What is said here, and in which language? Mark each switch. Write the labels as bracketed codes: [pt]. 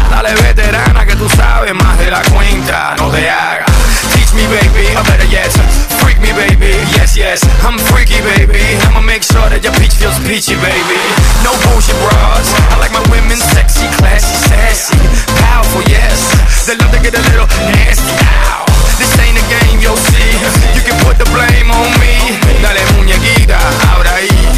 [es] Dale veterana que tú sabes más de la cuenta. No te hagas. [en] Teach me, baby, I'm better, yes. Freak me, baby, yes, yes. I'm freaky, baby. I'ma make sure that your peach feels peachy, baby. No bullshit bras. I like my women sexy, classy, sassy. Powerful, yes. They love to get a little nasty. Ow. This ain't a game, you'll see. You can put the blame on me. [es] Dale muñequita, abra ahí.